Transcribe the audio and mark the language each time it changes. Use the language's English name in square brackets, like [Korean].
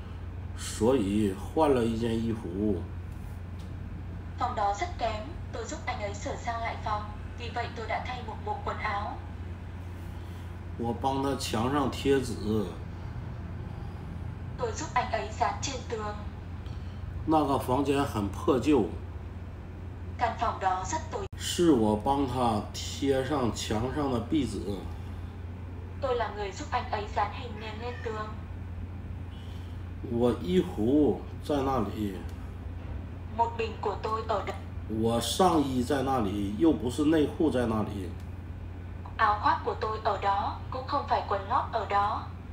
[Chinese] 那个房间很差，我帮他装修房间，所以换了一件衣服。 [Vietnamese] Phòng đó rất kém, tôi giúp anh ấy sửa sang lại phòng, vì vậy tôi đã thay một bộ quần áo. [Chinese] 我帮他墙上贴纸。 [Vietnamese] Tôi giúp anh ấy dán trên tường. [Chinese] 那个房间很破旧。 [Vietnamese] Căn phòng đó rất tồi. [Chinese] 是我帮他贴上墙上的壁纸。 [Vietnamese] Tôi là người giúp anh ấy dán hình nền lên tường. [Chinese] 我衣服在那里。 [Vietnamese] Một bình của tôi ở đó. [Chinese] 我上衣在那里，又不是内裤在那里。 [Vietnamese] Áo khoác của tôi ở đó, cũng không phải quần lót ở đó.